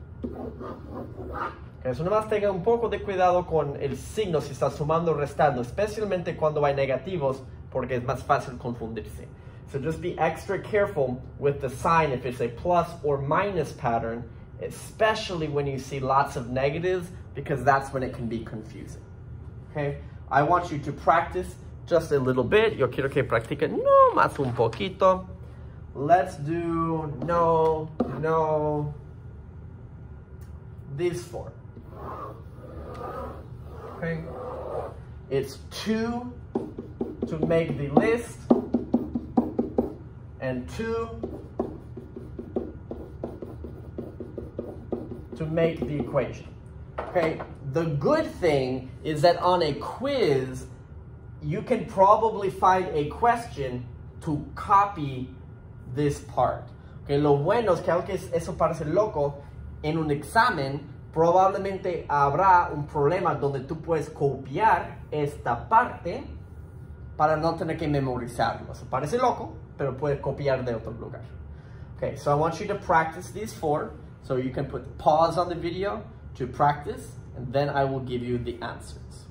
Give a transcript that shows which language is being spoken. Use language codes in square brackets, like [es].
[es] Okay, eso nomás tenga un poco de cuidado con el signo si está sumando o restando, especialmente cuando hay negativos, porque es más fácil confundirse. [en] So just be extra careful with the sign if it's a plus or minus pattern, especially when you see lots of negatives, because that's when it can be confusing. Okay, I want you to practice just a little bit. [es] Yo quiero que practique no más un poquito. [en] Let's do no, no, these four. Okay, it's two to make the list, and two to make the equation. Okay, the good thing is that on a quiz, you can probably find a question to copy this part. [es] Okay, lo bueno es que aunque eso parece loco, en un examen probablemente habrá un problema donde tú puedes copiar esta parte para no tener que memorizarlo. Eso parece loco, pero puedes copiar de otro lugar. [en] Okay, so I want you to practice these four. So you can put pause on the video to practice, and then I will give you the answers.